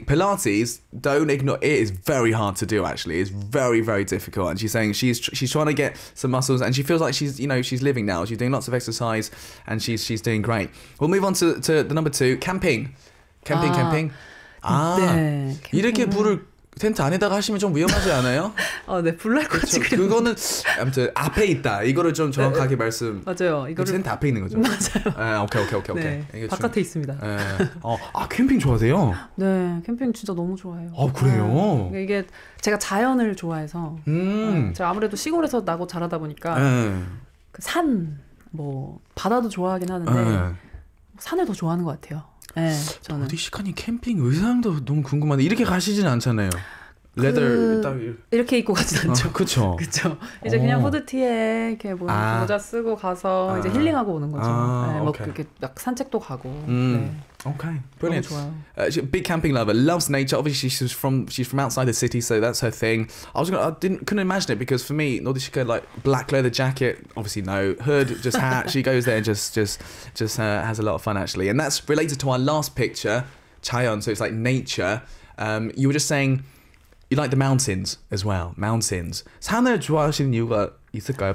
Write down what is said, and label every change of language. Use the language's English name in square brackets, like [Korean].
[English] Pilates, don't ignore it. It's very hard to do, actually. It's very, very difficult. And she's saying she's trying to get some muscles, and she feels like she's, you know, she's living now. She's doing lots of exercise, and she's doing great. We'll move on to the number two, camping. Camping, camping. [Korean] 네, 이렇게 불을 텐트 안에다가 하시면 좀 위험하지 않아요? 네, 불 날 것 같지. 그거는 아무튼 앞에 있다. 이거를 좀 정확하게 네, 말씀. 맞아요. 이거를 텐트 앞에 있는 거죠. 맞아요. 네, 오케이, 오케이, 오케이, 네, 오케이. 바깥에 좀, 있습니다. 네. 캠핑 좋아하세요? 네, 캠핑 진짜 너무 좋아해요. 그래요? 네. 이게 제가 자연을 좋아해서. 제가 아무래도 시골에서 나고 자라다 보니까 그 산, 뭐 바다도 좋아하긴 하는데 산을 더 좋아하는 것 같아요. 네, 저는. 노디시카님 캠핑 의상도 너무 궁금한데 이렇게 가시진 않잖아요. 레더 이렇게 입고 가진 않죠. 그렇죠. 그렇죠. 이제 그냥 후드티에 이렇게 뭐 모자 쓰고 가서 이제 힐링하고 오는 거죠. 네, 뭐 이렇게 막 산책도 가고. 오케이. [English] Brilliant. [Korean] 너무 좋아요. [English] She's a big camping lover, loves nature. Obviously, she's from outside the city, so that's her thing. I couldn't imagine it because for me, Nodishika, like black leather jacket, obviously no hood, just hat. She goes there and just has a lot of fun actually. And that's related to our last picture, Chayon. So it's like nature. You were just saying you like the mountains as well. Mountains. [Korean] 산을 좋아하시는 이유가 있을까요?